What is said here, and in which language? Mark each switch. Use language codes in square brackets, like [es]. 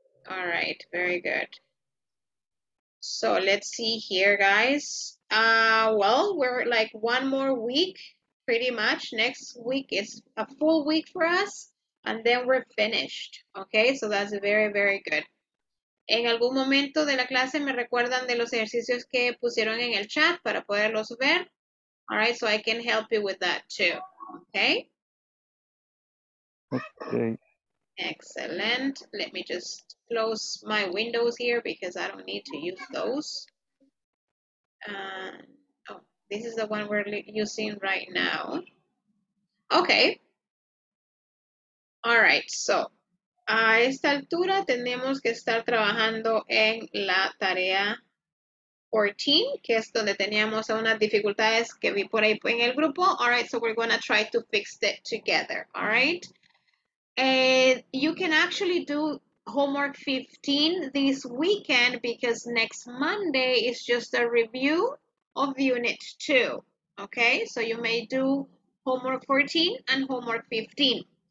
[en] All right, very good. So let's see here, guys. Well, we're like one more week, pretty much. Next week is a full week for us, and then we're finished. Okay, so that's very, very good. [es] En algún momento de la clase me recuerdan de los ejercicios que pusieron en el chat para poderlos ver. [en] All right, so I can help you with that too. Okay? Okay. Excellent. Let me just close my windows here because I don't need to use those. This is the one we're using right now. Okay. All right, so [es] a esta altura tenemos que estar trabajando en la tarea 14, que es donde teníamos unas dificultades que vi por ahí en el grupo. [en] All right, so we're gonna try to fix it together, all right? You can actually do homework 15 this weekend because next Monday is just a review of unit 2, okay? So you may do homework 14 and homework 15.